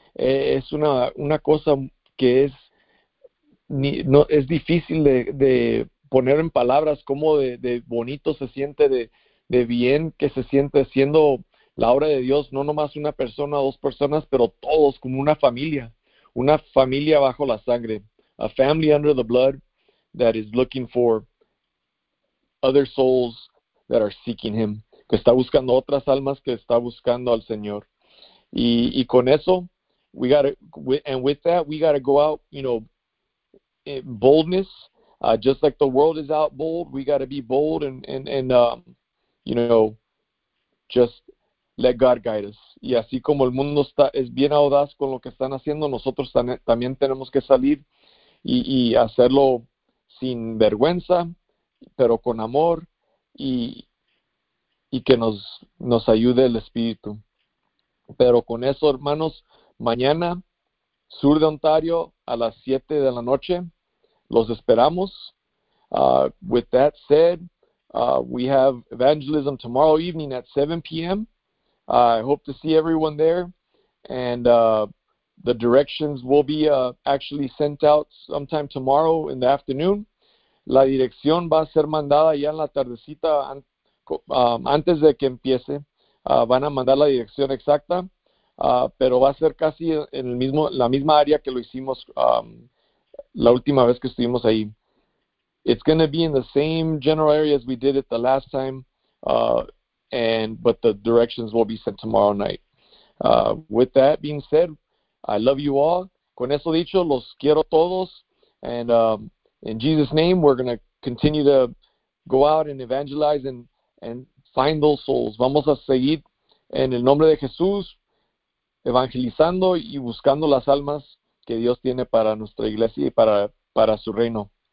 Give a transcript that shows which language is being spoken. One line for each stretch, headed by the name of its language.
Spanish: es una cosa que es ni no es difícil de poner en palabras cómo de bonito se siente, de bien que se siente siendo la obra de Dios, no nomás una persona o dos personas, pero todos como una familia bajo la sangre,
English: a family under the blood that is looking for other souls that are seeking him,
Spanish: que está buscando otras almas, que está buscando al Señor. Y con eso,
English: and with that, we gotta go out, boldness, just like the world is out bold, we gotta be bold and just let God guide us.
Spanish: Y así como el mundo es bien audaz con lo que están haciendo, nosotros también tenemos que salir y hacerlo sin vergüenza, pero con amor y que nos ayude el Espíritu. Pero con eso, hermanos, mañana, sur de Ontario, a las 7 de la noche, los esperamos.
English: With that said, we have evangelism tomorrow evening at 7 p.m. I hope to see everyone there. And the directions will be actually sent out sometime tomorrow in the afternoon.
Spanish: La dirección va a ser mandada ya en la tardecita, antes de que empiece. Van a mandar la dirección exacta, pero va a ser casi en la misma área que lo hicimos la última vez que estuvimos ahí.
English: It's going to be in the same general area as we did it the last time, but the directions will be sent tomorrow night. With that being said, I love you all.
Spanish: Con eso dicho, los quiero todos.
English: And in Jesus' name, we're going to continue to go out and evangelize and find those souls.
Spanish: Vamos a seguir en el nombre de Jesús evangelizando y buscando las almas que Dios tiene para nuestra iglesia y para su reino.